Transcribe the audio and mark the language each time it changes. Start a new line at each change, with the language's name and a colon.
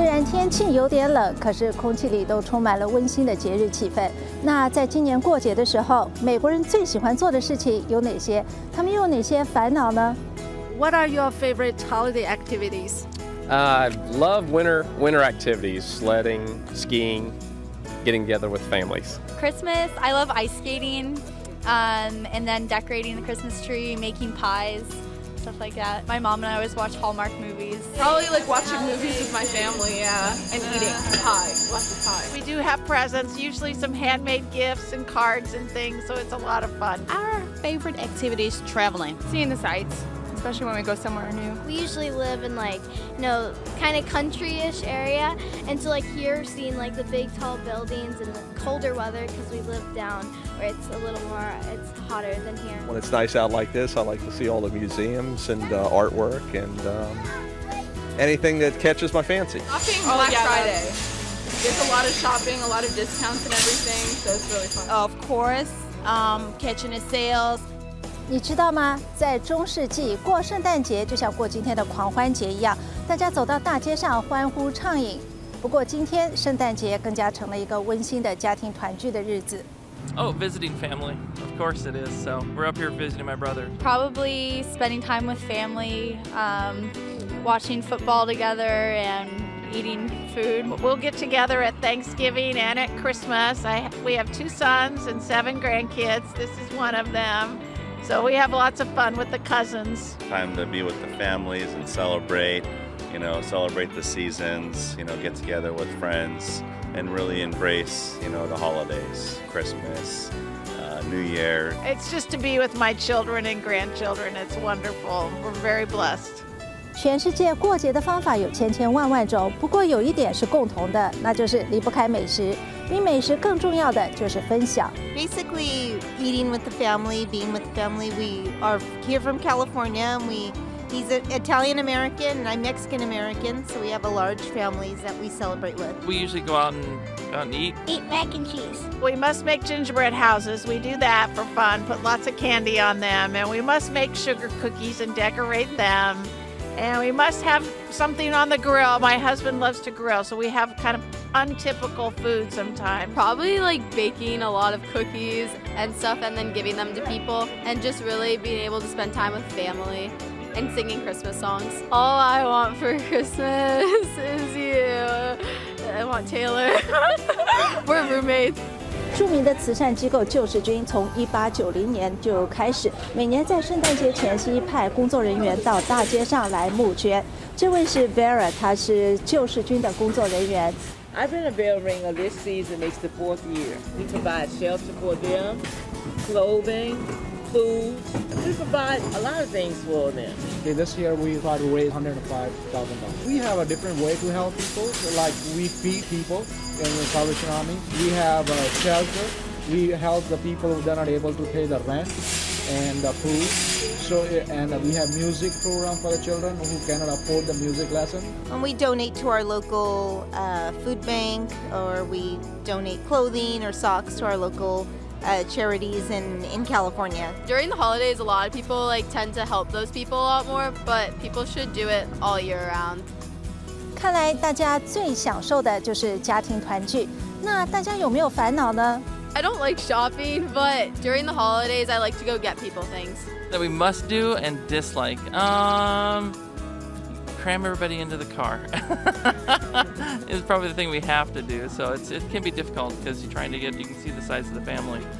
Chinese: 天气有点冷，可是空气里都充满了温馨的节日气氛。那在今年过节的时候，美国人最喜欢做的事情有哪些？他们又有哪些烦恼呢？
English: What are your favorite holiday activities? I love winter activities, sledding, skiing, getting together with families. Christmas, I love ice skating, and then decorating the Christmas tree, making pies. Stuff like that. My mom and I always watch Hallmark movies. Probably like watching movies with my family, yeah. And eating pie, lots of pie. We do have presents, usually some handmade gifts and cards and things, so it's a lot of fun. Our favorite activity is traveling. Seeing the sights, especially when we go somewhere new. We usually live in like, you know, kind of country-ish area. And so like here, seeing like the big tall buildings and the colder weather, because we live down where it's a little more, it's hotter than here. When it's nice out like this, I like to see all the museums and artwork and anything that catches my fancy. Shopping Black Friday. There's a lot of shopping, a lot of discounts and everything, so it's really fun. Of course, catching the sales.
Chinese: 你知道吗？在中世纪过圣诞节就像过今天的狂欢节一样，大家走到大街上欢呼畅饮。不过今天圣诞节更加成了一个温馨的家庭团聚的日子。
English: Oh, visiting family. Of course it is. So we're up here visiting my brother. Probably spending time with family, watching football together and eating food. We'll get together at Thanksgiving and at Christmas. We have 2 sons and 7 grandkids. This is one of them. So we have lots of fun with the cousins. Time to be with the families and celebrate, you know, celebrate the seasons, you know, get together with friends and really embrace, you know, the holidays, Christmas, New Year. It's just to be with my children and grandchildren. It's wonderful. We're very blessed.
Chinese: 全世界过节的方法有千千万万种，不过有一点是共同的，那就是离不开美食。比美食更重要的就是分享。
English: Basically, eating with the family, being with the family. We are here from California. And he's an Italian American and I'm Mexican American, so we have a large families that we celebrate with. We usually go out and eat. Eat mac and cheese. We must make gingerbread houses. We do that for fun. Put lots of candy on them, and we must make sugar cookies and decorate them. And we must have something on the grill. My husband loves to grill, so we have kind of untypical food sometimes. Probably like baking a lot of cookies and stuff and then giving them to people. And just really being able to spend time with family and singing Christmas songs. All I want for Christmas is you. I want Taylor. We're roommates.
Chinese: 著名的慈善机构救世军从1890年就开始每年在圣诞节前夕派工作人员到大街上来募捐。这位是 Vera， 她是救世军的工作人员。
English: I've been a bell ringer this season, it's the 4th year. We provide shelter for them, clothing, food. We provide a lot of things for them. Okay, this year we've raised $105,000. We have a different way to help people, like we feed people. In the Salvation Army, we have a shelter We help the people who are not able to pay the rent and the food. So, and we have music program for the children who cannot afford the music lesson. And we donate to our local food bank, or we donate clothing or socks to our local charities in California. During the holidays, a lot of people like tend to help those people a lot more, but people should do it all year round.
Chinese: 看来大家最享受的就是家庭团聚。那大家有没有烦恼呢？
English: I don't like shopping, but during the holidays, I like to go get people things. That we must do and dislike. Cram everybody into the car. It's probably the thing we have to do. So it can be difficult because you're trying to get, you can see the size of the family.